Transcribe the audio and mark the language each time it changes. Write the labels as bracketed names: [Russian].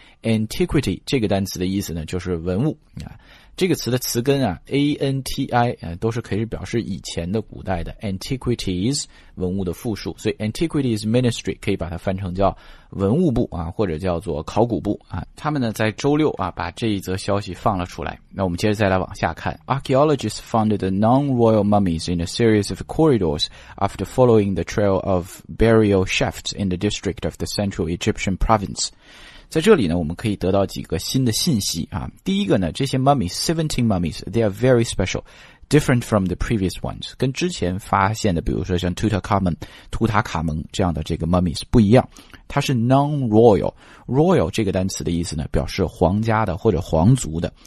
[Chinese] Antiquity, 这个单词的意思呢就是文物啊。这个词的词根啊 ,anti, 啊都是可以表示以前的古代的 ,antiquities, 文物的复数。所以 Antiquities Ministry 可以把它翻成叫文物部啊或者叫做考古部啊。他们呢在周六啊把这一则消息放了出来。那我们接着再来往下看。 [English] Archaeologists found the non-royal mummies in a series of corridors after following the trail of burial chefs in the district of the central Egyptian province. [Chinese] 在这里呢我们可以得到几个新的信息啊。第一个呢这些 mummies, [English] 17 mummies, they are very special, different from the previous ones, [Chinese] 跟之前发现的比如说像图塔卡蒙这样的这个 mummies 不一样。它是 non-royal,royal 这个单词的意思呢表示皇家的或者皇族的。